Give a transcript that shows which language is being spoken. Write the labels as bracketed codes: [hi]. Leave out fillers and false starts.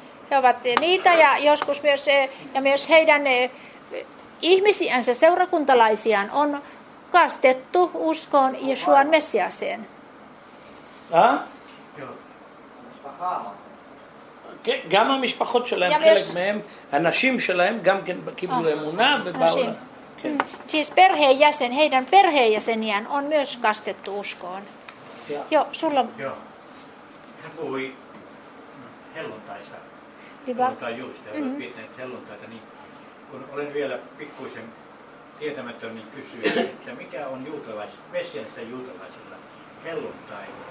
[fi] He ovat niitä ja joskus myös ja myös heidän ihmisiänsä seurakuntalaisiaan on kastettu uskoon Yeshuan Messiaaseen. Ha? [he] גם המשפחות שלהם, חלק מהם, הנשים שלהם גם כן קיבלו אמונה ובאו. [fi] Siis perheenjäsen, heidän perheenjäseniään on myös kastettu uskoon. Joo, sulla. Joo. Hän puhui helluntaista. Puhutaan juuri, että olet viettänyt helluntaita. Niin kun olen vielä pikkuisen tietämätön, niin kysyin, että mikä on messiaanisen juutalaisilla helluntai?